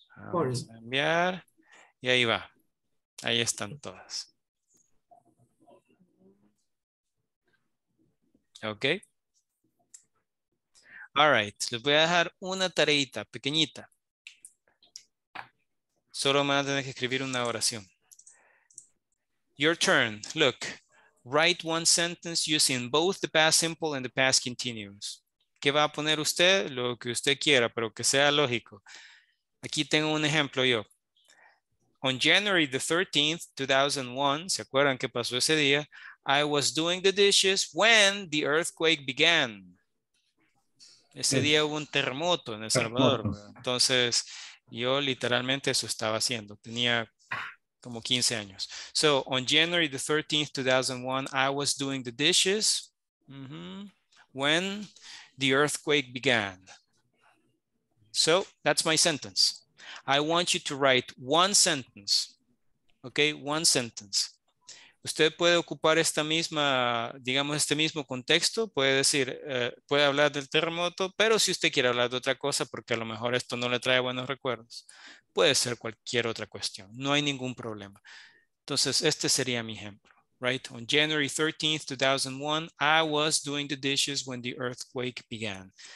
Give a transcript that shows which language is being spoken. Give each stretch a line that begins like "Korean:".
Spanish: Vamos a enviar y ahí va, ahí están todas. Ok.
English: All right,
Spanish: les voy a dejar una tareita pequeñita. Solo van a tener que escribir una oración.
English: Your turn, look, write one sentence using both the past simple and the past continuous.
Spanish: ¿Qué va a poner usted? Lo que usted quiera, pero que sea lógico. Aquí tengo un ejemplo yo.
English: On January the 13th, 2001,
Spanish: ¿se acuerdan qué pasó ese día?
English: I was doing the dishes when the earthquake began.
Spanish: Ese día hubo un terremoto en El Salvador. Entonces, yo literalmente eso estaba haciendo. Tenía como 15 años.
English: So, on January the 13th, 2001, I was doing the dishes when the earthquake began. So that's my sentence. I want you to write one sentence. Okay, one sentence.
Spanish: Usted puede ocupar esta misma, digamos, este mismo contexto. Puede decir, puede hablar del terremoto, pero si usted quiere hablar de otra cosa, porque a lo mejor esto no le trae buenos recuerdos, puede ser cualquier otra cuestión. No hay ningún problema. Entonces, este sería mi ejemplo.
English: Right? On January 13th, 2001, I was doing the dishes when the earthquake began.